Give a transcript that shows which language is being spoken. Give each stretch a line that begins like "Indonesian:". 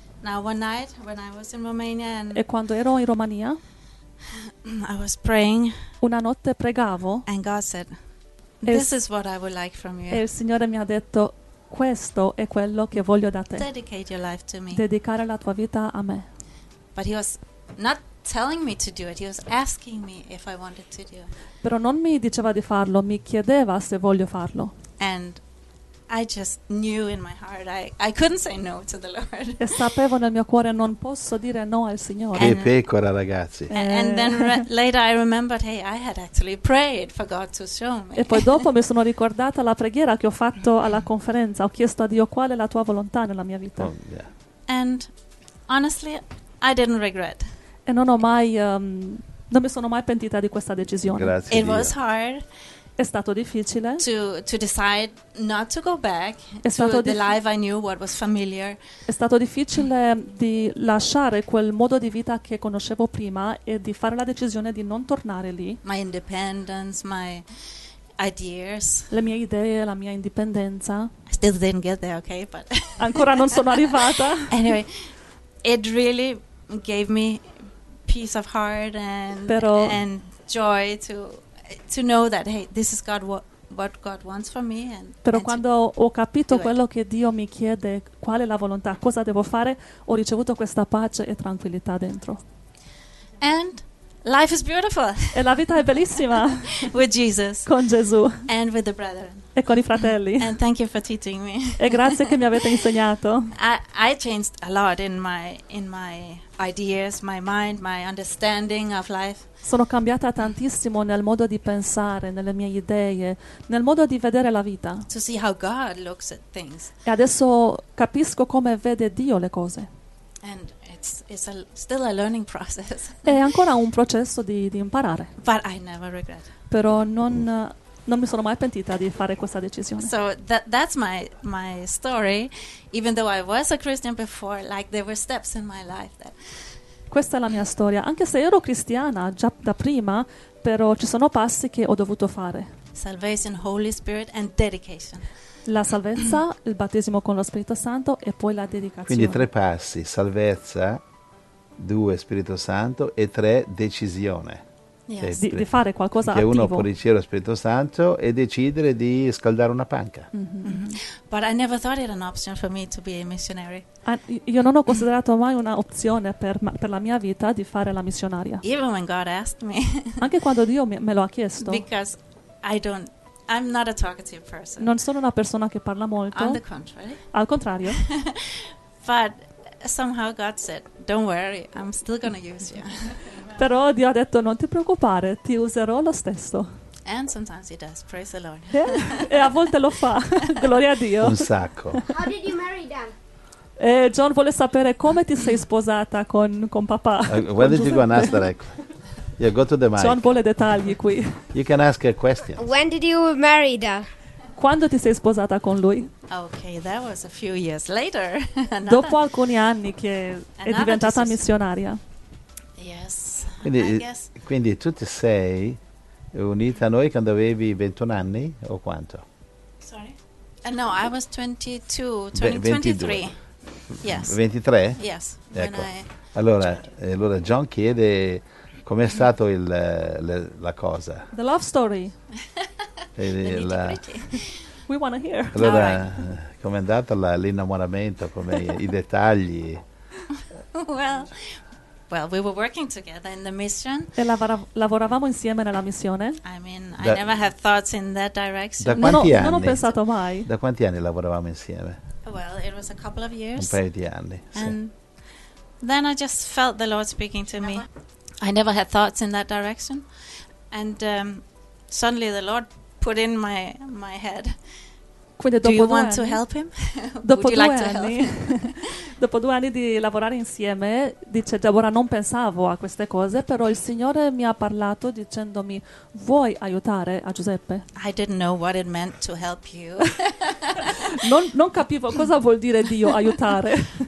English: Now one night when I was in Romania and
Italian: e quando ero in Romania.
English: I was praying.
Italian: Una notte pregavo.
English: And God said, "This is what I would like from you."
Italian: E il Signore mi ha detto, "Questo è quello che voglio da te."
English: Dedicate your life to me.
Italian: Dedicare la tua vita a me.
English: But he was not telling me to do it. He was asking me if I wanted to do it.
Italian: Però non mi diceva di farlo, mi chiedeva se voglio farlo.
English: And I just knew in my heart I couldn't say no to the Lord.
Italian: E sapevo nel mio cuore non posso dire no al Signore. Che pecora, ragazzi.
English: And then later I remembered, hey, I had actually prayed for God to show me.
Italian: E poi dopo mi sono ricordata la preghiera che ho fatto alla conferenza. Ho chiesto a Dio qual è la tua volontà nella mia vita.
English: Oh, yeah. And honestly, I didn't regret.
Italian: E non ho mai non mi sono mai pentita di questa decisione. Grazie.
English: It
Italian: Dio.
English: Was hard.
Italian: È stato difficile
English: to decide not to go back to the life I knew, what was familiar.
Italian: È stato difficile di lasciare quel modo di vita che conoscevo prima e di fare la decisione di non tornare lì.
English: My independence, my ideas.
Italian: Le mie idee, la mia indipendenza.
English: I still didn't get there, okay, but
Italian: ancora non sono arrivata.
English: Anyway, it really gave me peace of heart and joy to know that, hey, this is God, what God wants for me. And
Italian: però
English: and
Italian: quando ho capito quello che Dio mi chiede, qual è la volontà, cosa devo fare, ho ricevuto questa pace e tranquillità dentro.
English: And life is beautiful.
Italian: E la vita è bellissima.
English: With Jesus.
Italian: Con Gesù.
English: And with the brethren.
Italian: E con i fratelli.
English: And thank you for teaching me.
Italian: E grazie che mi avete insegnato.
English: I changed a lot in my ideas, my mind, my understanding of life.
Italian: Sono cambiata tantissimo nel modo di pensare, nelle mie idee, nel modo di vedere la vita.
English: To see how God looks at things.
Italian: E adesso capisco come vede Dio le cose.
English: And it's still a learning process.
Italian: È ancora un processo di imparare.
English: But I never regret.
Italian: Però non mi sono mai pentita di fare questa decisione.
English: So that's my story, even though I was a Christian before, like there were steps in my life that.
Italian: Questa è la mia storia, anche se ero cristiana già da prima, però ci sono passi che ho dovuto fare.
English: Salvation, Holy Spirit and dedication.
Italian: La salvezza, il battesimo con lo Spirito Santo e poi la dedicazione. Quindi tre passi, salvezza, due Spirito Santo e tre decisione.
English: Yes.
Italian: Di fare qualcosa che attivo. Che uno può ricevere lo Spirito Santo e decidere di scaldare una panca. Mm-hmm.
English: But I never thought it an option for me to be a missionary.
Italian: Io non ho considerato mai una opzione per la mia vita di fare la missionaria.
English: Even when God asked me.
Italian: Anche quando Dio me lo ha chiesto.
English: Because I'm not a talkative person.
Italian: Non sono una persona che parla molto.
English: On the contrary.
Italian: Al contrario.
English: But somehow God said, "Don't worry, I'm still going to use you."
Italian: Però Dio ha detto, non ti preoccupare, ti userò lo stesso.
English: And sometimes he does, praise the Lord.
Italian: E a volte lo fa, gloria a Dio. Un sacco.
English: How did you marry them?
Italian: E John vuole sapere come ti sei sposata con papà.
English: When did Giuseppe? You go and ask that? Yeah, go to the mic.
Italian: John vuole dettagli qui.
English: You can ask a question. When did you marry them?
Italian: Quando ti sei sposata con lui?
English: Okay, that was a few years later.
Italian: Dopo alcuni anni che è diventata missionaria.
English: Yes.
Italian: Quindi tu ti sei unita a noi quando avevi 21 anni o quanto?
English: Sorry? No, I was 23. Yes.
Italian: 23?
English: Yes.
Italian: Ecco. Allora John chiede com'è stato la cosa.
English: The love story. We want to hear.
Italian: Allora,
English: right.
Italian: Com'è andato l'innamoramento, come i dettagli?
English: Well, we were working together in the mission.
Italian: E lavoravamo insieme nella missione.
English: I mean, I never had thoughts in that direction.
Italian: Da quanti anni? Non ho pensato mai. Da quanti anni lavoravamo insieme?
English: Well, it was a couple of years.
Italian: Un paio di anni,
English: and
Italian: sì.
English: Then I just felt the Lord speaking to me. I never had thoughts in that direction. And suddenly the Lord put in my head.
Italian: Quindi dopo due anni,
English: to help him?
Italian: Dopo
English: Would you
Italian: due
English: like
Italian: anni,
English: to help?
Italian: Dopo due anni di lavorare insieme, dice Deborah, non pensavo a queste cose, però il Signore mi ha parlato dicendomi, vuoi aiutare a Giuseppe?
English: I didn't know what it meant to help you.
Italian: non capivo cosa vuol dire Dio aiutare.